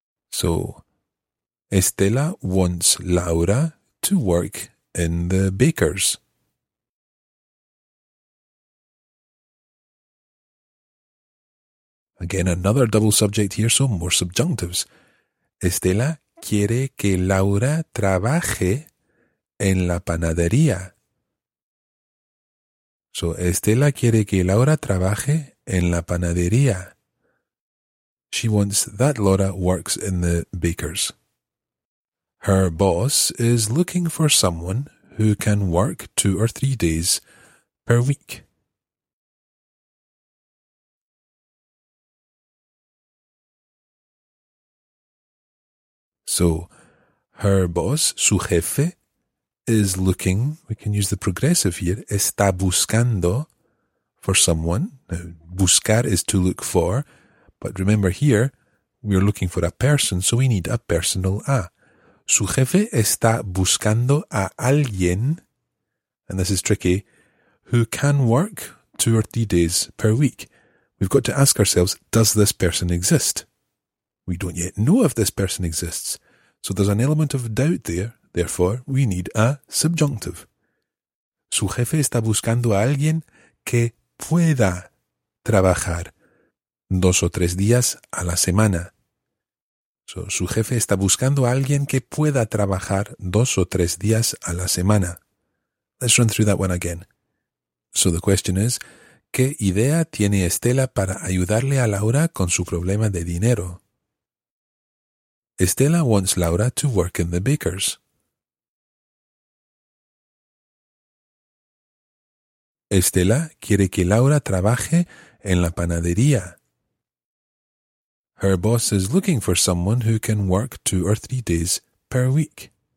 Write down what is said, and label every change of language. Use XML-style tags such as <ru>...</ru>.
<en>So, Estela wants Laura to work in the bakers. Again, another double subject here, so more subjunctives.</en> <es>Estela quiere que Laura trabaje en la panadería. So, Estela quiere que Laura trabaje en la panadería.</es> <en>She wants that Laura works in the bakers. Her boss is looking for someone who can work 2 or 3 days per week. So, her boss,</en> <es>su jefe,</es> <en>is looking, we can use the progressive here,</en> <es>está buscando</es> <en>for someone. Now, buscar is to look for, but remember here, we're looking for a person, so we need a personal a.</en> <es>Su jefe está buscando a alguien,</es> <en>and this is tricky, who can work 2 or 3 days per week. We've got to ask ourselves, does this person exist? We don't yet know if this person exists. So there's an element of doubt there. Therefore, we need a subjunctive.</en> <es>Su jefe está buscando a alguien que pueda trabajar 2 o 3 días a la semana. So, su jefe está buscando a alguien que pueda trabajar 2 o 3 días a la semana.</es> <en>Let's run through that one again. So the question is,</en> <es>¿qué idea tiene Estela para ayudarle a Laura con su problema de dinero?</es> <en>Estela wants Laura to work in the bakers.</en> <es>Estela quiere que Laura trabaje en la panadería.</es> <en>Her boss is looking for someone who can work 2 or 3 days per week.</en>